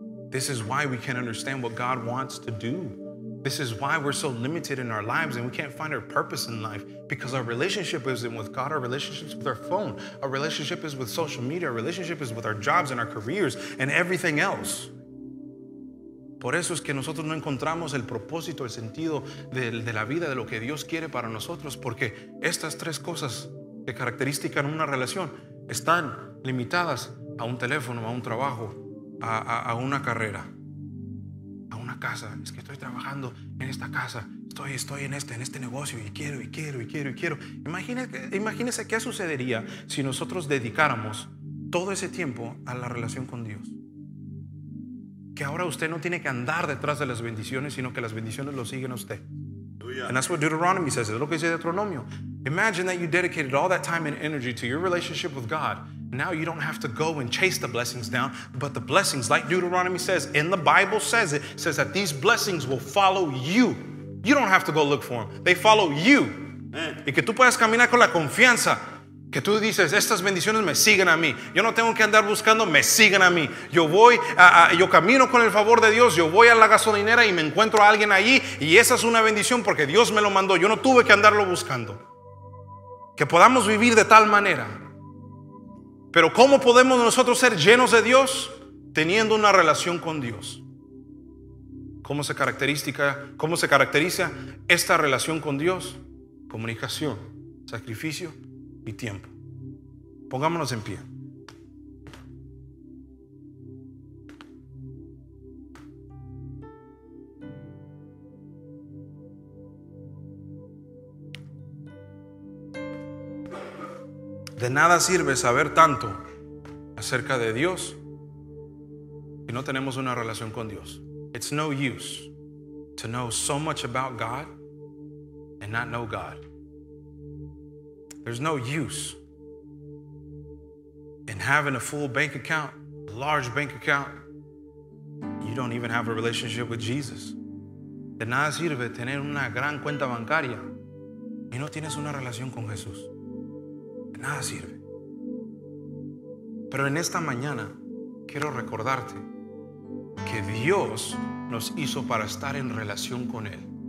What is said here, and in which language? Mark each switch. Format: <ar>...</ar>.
<en>This is why we can't understand what God wants to do. This is why we're so limited in our lives and we can't find our purpose in life, because our relationship isn't with God, our relationship is with our phone, our relationship is with social media, our relationship is with our jobs and our careers and everything else.</en> <es>Por eso es que nosotros no encontramos el propósito, el sentido de la vida, de lo que Dios quiere para nosotros, porque estas tres cosas que caracterizan una relación están limitadas a un teléfono, a un trabajo, a una carrera. Casa, es que estoy trabajando en esta casa, estoy en este negocio y quiero y quiero y quiero y quiero. Imagínese qué sucedería si nosotros dedicáramos todo ese tiempo a la relación con Dios. Que ahora usted no tiene que andar detrás de las bendiciones, sino que las bendiciones lo siguen a usted.</es> <en>And that's what Deuteronomy says.</en> <es>Es lo que dice Deuteronomio.</es> <en>Imagine that you dedicated all that time and energy to your relationship with God. Now you don't have to go and chase the blessings down, but the blessings, like Deuteronomy says, and the Bible says it, says that these blessings will follow you. You don't have to go look for them. They follow you. Amen.</en> <es>Y que tú puedas caminar con la confianza que tú dices, estas bendiciones me siguen a mí. Yo no tengo que andar buscando, me siguen a mí. Yo voy, yo camino con el favor de Dios, yo voy a la gasolinera y me encuentro a alguien allí y esa es una bendición porque Dios me lo mandó. Yo no tuve que andarlo buscando. Que podamos vivir de tal manera. Pero ¿cómo podemos nosotros ser llenos de Dios? Teniendo una relación con Dios. ¿Cómo se caracteriza esta relación con Dios? Comunicación, sacrificio y tiempo. Pongámonos en pie. De nada sirve saber tanto acerca de Dios si no tenemos una relación con Dios.</es> <en>It's no use to know so much about God and not know God. There's no use in having a full bank account, a large bank account. You don't even have a relationship with Jesus.</en> <es>De nada sirve tener una gran cuenta bancaria y no tienes una relación con Jesús. De nada sirve. Pero en esta mañana quiero recordarte que Dios nos hizo para estar en relación con Él.</es>